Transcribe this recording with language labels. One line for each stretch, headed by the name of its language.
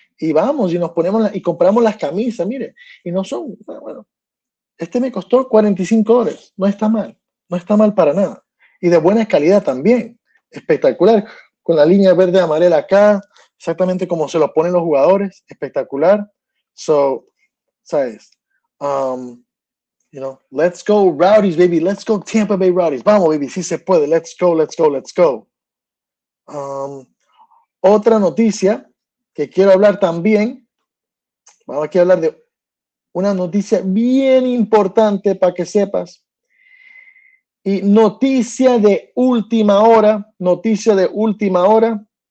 Spanish: Y vamos y nos ponemos y compramos las camisas, mire. Y no son, bueno, este me costó $45. No está mal. No está mal para nada. Y de buena calidad también. Espectacular. Con la línea verde amarela acá. Exactamente como se los ponen los jugadores. Espectacular. So, ¿sabes?
English: You know, let's go Rowdies, baby. Let's go Tampa Bay Rowdies.
Spanish: Vamos, baby. Sí se puede.
English: Let's go, let's go, let's go.
Spanish: Otra noticia que quiero hablar también. Vamos aquí a hablar de una noticia bien importante para que sepas. Y noticia de última hora. Noticia de última hora.